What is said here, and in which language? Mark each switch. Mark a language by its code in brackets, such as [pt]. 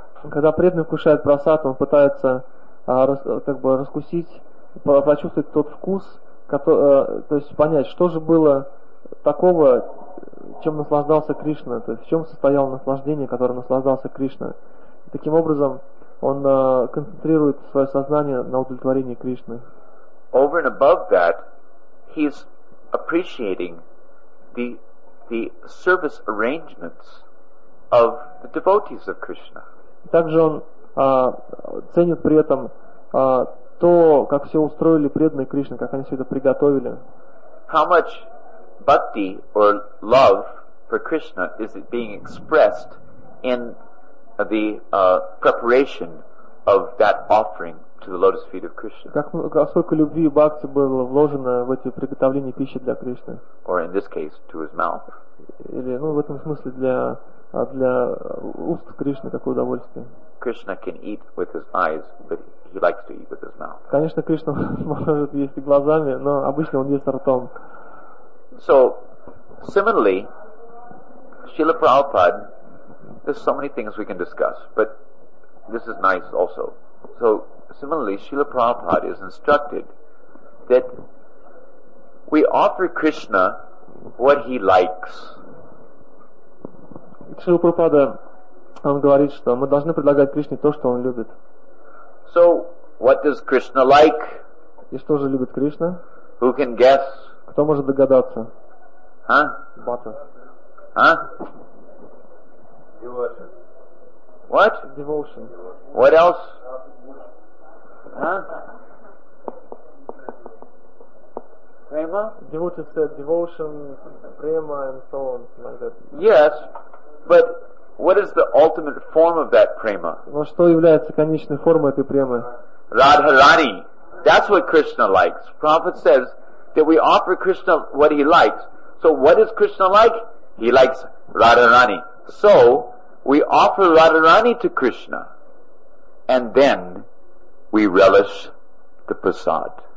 [ru] Когда преданный кушает прасад, он пытается раскусить, почувствовать тот вкус, то есть понять, что же было такого, чем наслаждался Кришна, то есть в чем состояло наслаждение, которое наслаждался Кришна. Таким образом, он концентрирует свое сознание на удовлетворении Кришны. [en] Over and above that, he's appreciating the service arrangements of the devotees of Krishna. [ru] Также он ценит при этом то, как все устроили преданные Кришны, как они все это приготовили. [en] How much bhakti or love for Krishna is it being expressed in the preparation of that offering to the lotus feet of Krishna? [ru] Сколько любви и бхакти было вложено в эти приготовления пищи для Кришны? [en] Or in this case, to his mouth. [ru] Или, ну, в этом смысле для уст Кришны какое удовольствие? [en] Krishna can eat with his eyes, but he likes to eat with his mouth. [ru] Конечно, Кришна может есть глазами, но обычно он ест ртом. [en] So, similarly, Srila Prabhupada, there's so many things we can discuss, but this is nice also. So similarly, Srila Prabhupada is instructed that we offer Krishna what he likes. [ru] Srila Prabhupada, он говорит, что мы должны предлагать Кришне то, что он любит. [en] So, what does Krishna like? [ru] И что же любит Кришна? [en] Who can guess? [ru] Кто может догадаться? А? Бата. А? [en] Devotion. What? Devotion. What else? Prema? Devotion said devotion, prema, and so on, like that. Yes, but what is the ultimate form of that prema? [ru] Но что является конечной формой этой премы? [en] Radharani. That's what Krishna likes. Prabhupada says that we offer Krishna what he likes. So what does Krishna like? He likes Radharani. So we offer Radharani to Krishna, and then we relish the prasad.